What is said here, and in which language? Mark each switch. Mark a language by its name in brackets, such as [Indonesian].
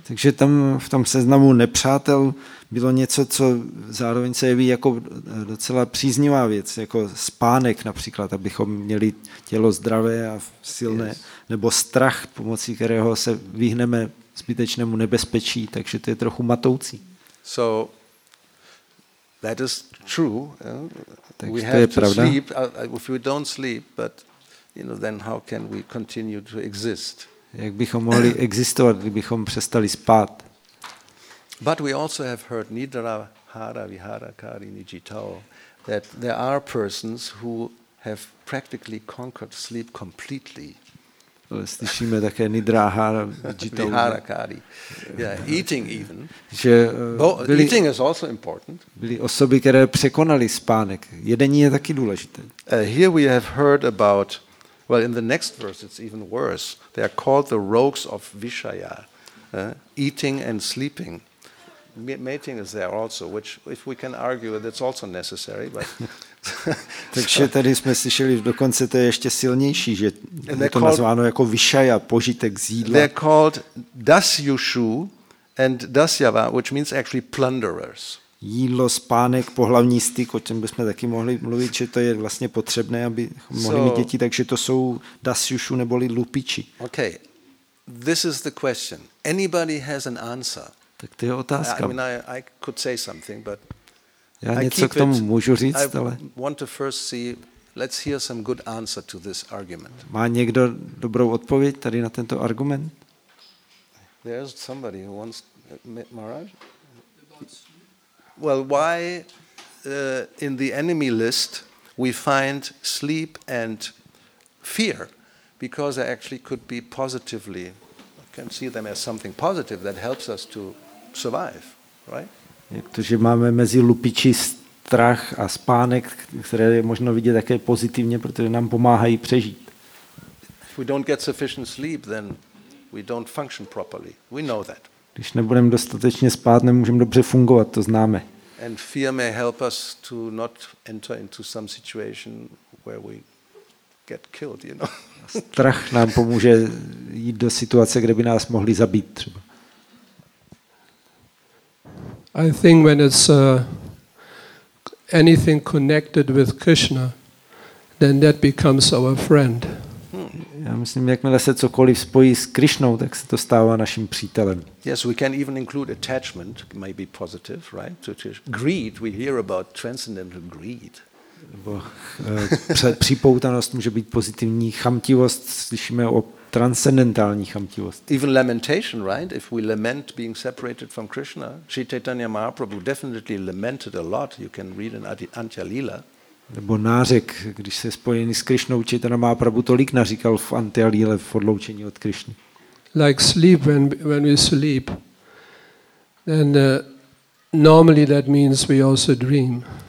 [Czech] Takže tam v tom seznamu nepřátel bylo něco, co zároveň se jeví jako docela příznivá věc, jako spánek například, abychom měli tělo zdravé a silné, nebo strach, pomocí kterého se vyhneme zbytečnému nebezpečí, takže to je trochu matoucí. [English] So that is true. [Czech] Takže [English] we [Czech] to [English] have [Czech] je to pravda. [English] Sleep if we don't sleep, but you know, then how can we continue to exist? [Czech] Jak bychom mohli existovat, kdybychom přestali spát? [English] But we also have heard [Sanskrit] nidra hara vihara kari nijitao [English] that there are persons who have practically conquered sleep completely. [Czech] Slyšíme také [Sanskrit] nidra hara vihara vihara kari. [English] Yeah, eating even. [Czech] Že byli, [English] eating is also important. [Czech] Byly osoby, které překonaly spánek. Jedení je taky důležité. [English] Here we have heard about in the next verse it's even worse. They are called the rogues of Vishaya. Eating and sleeping. Mating is there also, which if we can argue that's also necessary, but [Czech] takže tady jsme slyšeli, dokonce to je ještě silnější, že je to nazváno jako Vishaya, požitek z jídla. [English] They're called Dasyushu and Dasyava, which means actually plunderers. [Czech] Jídlo, spánek, pohlavní styk, o čem bychom taky mohli mluvit, že to je vlastně potřebné, aby mohli mít děti, takže to jsou Dasyushu neboli lupiči. [English] Okay, this is the question. Anybody has an answer? [Czech] Tak to je otázka. [English] I could say something, but [Czech] já něco k tomu můžu říct, ale [English] want to first see, let's hear some good answer to this argument. [Czech] Má někdo dobrou odpověď tady na tento argument? [English] There's somebody who wants Maharaj. Well, why in the enemy list we find sleep and fear? Because they actually could be positively, I can see them as something positive that helps us to survive, right? [Czech] Protože máme mezi lupiči strach a spánek, které je možno vidět také pozitivně, protože nám pomáhají přežít. [English] If we don't get sufficient sleep, then we don't function properly. We know that. [Czech] Když nebudeme dostatečně spát, nemůžeme dobře fungovat, to známe. [English] And fear may help us to not enter into some situation where we get killed, you know. [Czech] Strach nám pomůže jít do situace, kde by nás mohli zabít třeba. [English] I think when it's anything connected with Krishna, then that becomes our friend. [Czech] Já myslím, jakmile se cokoliv spojí s Krišnou, tak se to stává naším přítelem. [English] Yes, we can even include attachment, maybe positive, right? To greed, we hear about transcendental greed. [Czech] Připoutanost může být pozitivní, chamtivost, slyšíme o transcendentální chamtivost. [English] Even lamentation, right? If we lament being separated from Krishna, Sri Chaitanya Mahaprabhu definitely lamented a lot. You can read in Antya Lila. [Czech] Nebo nářek, když se spojený s Krišnou, Chaitanya Mahaprabhu tolik naříkal v Antya Lila, v odloučení od Krišny. [English] Like sleep, when we sleep, then normally that means we also dream.